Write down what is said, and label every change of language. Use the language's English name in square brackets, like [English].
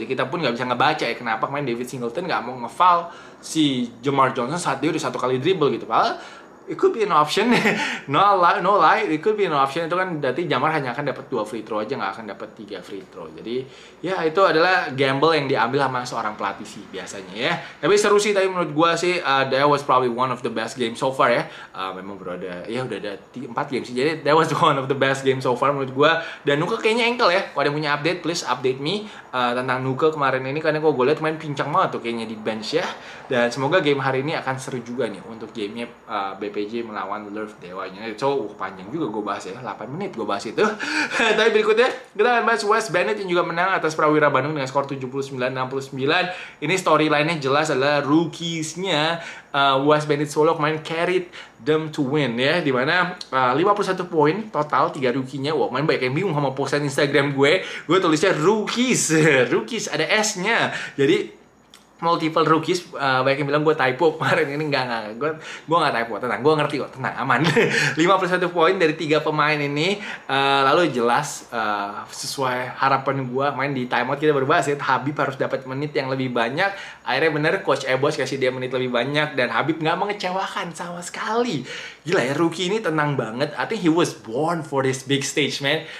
[Indonesian] Jadi kita pun gak bisa ngebaca ya kenapa main David Singleton gak mau ngefoul si Jamar Johnson saat dia udah satu kali dribble gitu. Padahal [English] it could be an option. No lie, it could be an option. [Indonesian] Itu kan berarti Jamar hanya akan dapat 2 free throw aja, gak akan dapat 3 free throw. Jadi ya itu adalah gamble yang diambil sama seorang pelatih sih biasanya ya. Tapi seru sih, tapi menurut gue sih [English] that was probably one of the best game so far [Indonesian] ya. Memang bro ada, ya udah ada 4 game sih. [English] Jadi that was one of the best game so far [Indonesian] menurut gue. Dan Nuka kayaknya ankle ya. Kalau ada punya update, [English] please update me [Indonesian] tentang Nuka kemarin ini. Karena kalau gue liat main pincang banget tuh kayaknya di bench ya. Dan semoga game hari ini akan seru juga nih untuk gamenya BP PJ melawan Love Dewanya. Panjang juga gue bahas ya, 8 menit gue bahas itu. Tapi berikutnya kita akan bahas West Bennett yang juga menang atas Prawira Bandung dengan skor 79-69. Ini storyline-nya jelas adalah rookies-nya West Bennett Solo kemarin carried them to win ya, dimana 51 poin total 3 rookie-nya. Wah, main banyak yang bingung sama postan Instagram gue tulisnya rookies. Rookies ada S-nya, jadi multiple rookies. Banyak yang bilang gue typo kemarin, ini gue gak typo, tenang, gue ngerti kok, tenang, aman. 51 poin dari 3 pemain ini, lalu jelas sesuai harapan gue main di timeout kita berbahas ya, Habib harus dapat menit yang lebih banyak. Akhirnya bener Coach Ebos kasih dia menit lebih banyak dan Habib gak mengecewakan sama sekali. Gila ya, rookie ini tenang banget. [English] I think he was born for this big stage, man.